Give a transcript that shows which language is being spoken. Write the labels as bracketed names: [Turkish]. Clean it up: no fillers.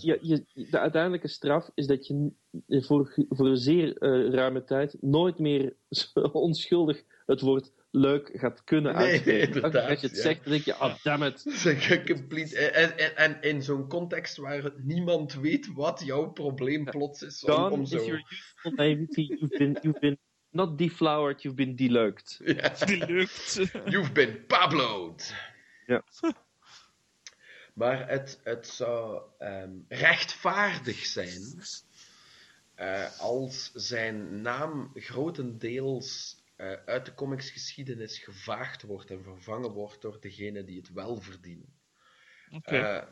[Dutch] Nee, de uiteindelijke straf is dat je voor een zeer ruime tijd nooit meer onschuldig het woord leuk gaat kunnen uitspreken. Nee, als je het zegt, dan denk je, [English] oh, damn it. [Dutch] En in zo'n context waar niemand weet wat jouw probleem plots is. [English] Gone [Dutch] om zo... [English] is your youthful naivety. You've been not deflowered, you've been deleuked. Deleuked. You've been Pabloed. [Dutch] Ja. Maar het zou rechtvaardig zijn Als zijn naam grotendeels uit de comicsgeschiedenis gevaagd wordt en vervangen wordt door degene die het wel verdienen. Okay.